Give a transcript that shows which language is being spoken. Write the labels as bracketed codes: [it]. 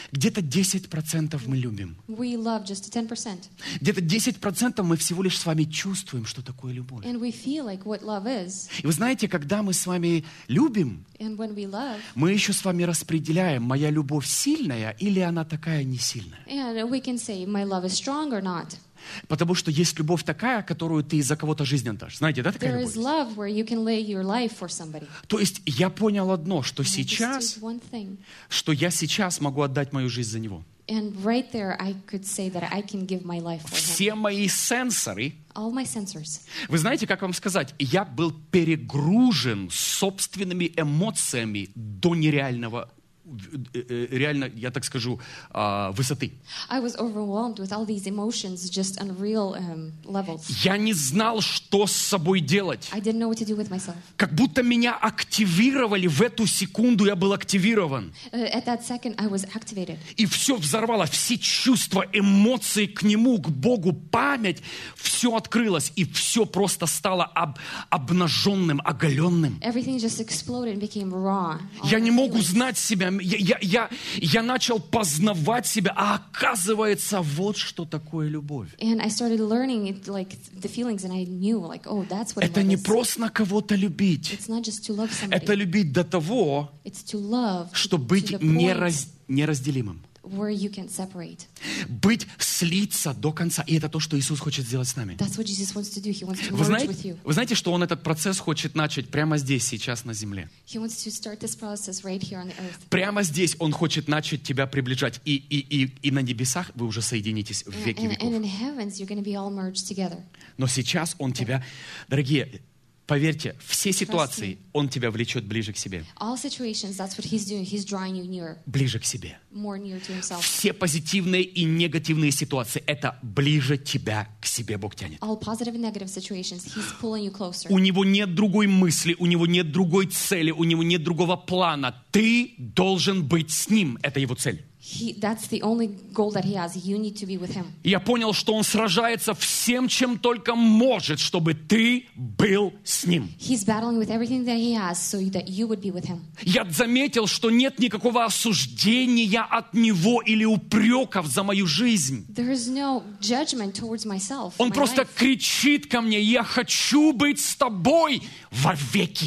[ru] Где-то 10% мы любим. [en] We love just 10%. [ru] Где-то 10% мы всего лишь с вами чувствуем, что такое любовь. [en] And we feel like what love is. [ru] И вы знаете, когда мы с вами любим, [en] And when we love, [ru] мы еще с вами распределяем, моя любовь сильная или она такая не сильная. [en] And we can say, my love is strong or not. [ru] Потому что есть любовь такая, которую ты за кого-то жизнь отдашь. Знаете, да, такая любовь? То есть я понял одно, что сейчас, что я сейчас могу отдать мою жизнь за него. [en] And right there I could say that I can give my life for him. [ru] Все мои сенсоры. [en] All my sensors. [ru] Вы знаете, как вам сказать? Я был перегружен собственными эмоциями до нереального реально, я так скажу, высоты. [en] I was overwhelmed with all these emotions, just unreal levels. [ru] Я не знал, что с собой делать. [en] I didn't know what to do with myself. [ru] Как будто меня активировали, в эту секунду я был активирован. [en] At that second I was activated. [ru] И все взорвало, все чувства, эмоции к нему, к Богу, память, все открылось, и все просто стало обнаженным, оголенным. [en] Everything just exploded and became raw. [ru] Я не мог узнать себя. Я начал познавать себя, а оказывается, вот что такое любовь. [en] And I started learning it, like, the feelings, and I knew, like, oh, that's what. [ru] Это не просто кого-то любить. [en] It's not just to love somebody. [ru] Это любить до того, [en] it's to love, [ru] чтобы быть неразделимым. [en] Where you can separate. [ru] Быть слиться до конца, и это то, что Иисус хочет сделать с нами. [en] That's what Jesus wants to do. He wants to merge with you. [ru] Вы знаете, что Он этот процесс хочет начать прямо здесь, сейчас на земле. [en] He wants to start this process right here on the earth. [ru] Прямо здесь Он хочет начать тебя приближать, и на небесах вы уже соединитесь в веки веков. [en] And in heavens you're going to be all merged together. [ru] Но сейчас Он тебя, дорогие. Поверьте, все ситуации Он тебя влечет ближе к себе. [en] All situations, that's what he's doing. He's drawing you nearer. [ru] Ближе к себе. [en] More near to himself. [ru] Все позитивные и негативные ситуации — это ближе тебя к себе Бог тянет. [en] All positive and negative situations, he's pulling you closer. [ru] У Него нет другой мысли, у Него нет другой цели, у Него нет другого плана. Ты должен быть с Ним. Это Его цель. [en] That's the only goal that he has. You need to be with him. [ru] Я понял, что он сражается всем, чем только может, чтобы ты был с ним. [en] He's battling with everything that he has, so that you would be with him. [ru] Я заметил, что нет никакого осуждения от него или упреков за мою жизнь. [en] There is no judgment towards myself. [ru] Он просто кричит ко мне: я хочу быть с тобой вовеки.